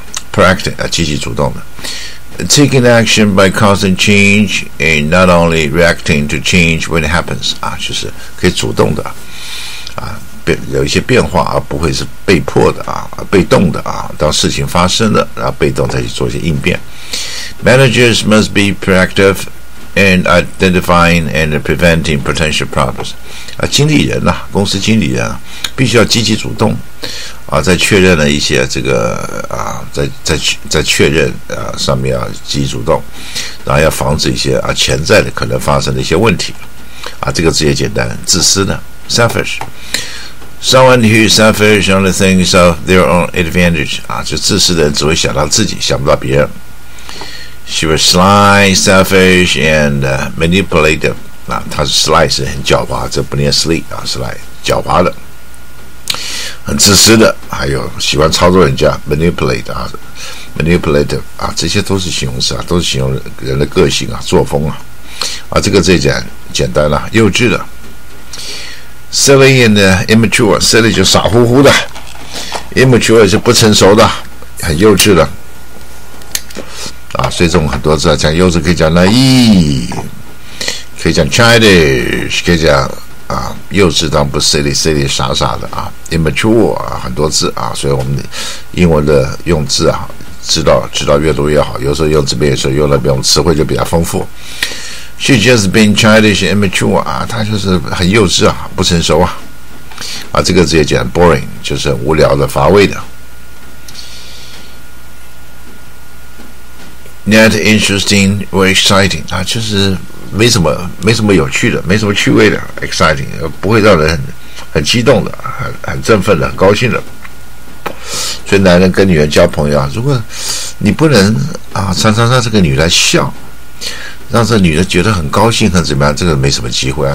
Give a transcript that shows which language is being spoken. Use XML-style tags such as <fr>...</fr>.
<zh>Proactive 啊，积极主动的 ，</zh> <en>taking action by causing change and not only reacting to change when it happens</en> <zh>啊，就是可以主动的啊，有一些变化而、不会是被迫的啊，被动的啊，当事情发生了，然后被动再去做一些应变。</zh> <en>Managers must be proactive in identifying and preventing potential problems 啊，</en> <zh>经理人呐、啊，公司经理人、啊、必须要积极主动。啊，在确认了一些这个啊，在确认啊上面要积极主动，然后要防止一些啊潜在的可能发生的一些问题，啊，这个字也简单，自私的 selfish。</zh> <en>Someone who is selfish only thinks of their own advantage 啊，</en> <zh>就自私的人只会想到自己，想不到别人。</zh> <en>She was sly, selfish, and manipulative</en> <zh>啊，她是 sly 是很狡猾，这不念 sly 啊 ，sly 狡猾的。很自私的，还有喜欢操作人家 ，manipulate 啊 ，manipulative 啊，这些都是形容词啊，都是形容人的个性啊，作风啊，啊，这个最简单了、啊，幼稚的 ，</zh> <en>silly and immature，</en> <zh>silly 就傻乎乎的 ，immature 就不成熟的，很幼稚的，啊，所以这种很多字啊，讲幼稚可以讲 naive， 可以讲 childish， 可以讲。啊，幼稚当不 silly 傻傻的啊 ，immature 啊，很多字啊，所以我们英文的用字啊，知道越多越好。有时候用这边，有时候用那边，我们词汇就比较丰富。</zh> <en>She just been childish and immature</en> <zh>啊，她就是很幼稚啊，不成熟啊。啊，这个字也讲 boring， 就是无聊的、乏味的。</zh> <en>Not interesting or exciting 啊，就是。</en> <zh>没什么有趣的，没什么趣味的 ，exciting 不会让人 很激动的，很振奋的，很高兴的。所以男人跟女人交朋友啊，如果你不能啊，常常让这个女的笑，让这女的觉得很高兴，很怎么样，这个没什么机会啊。</zh>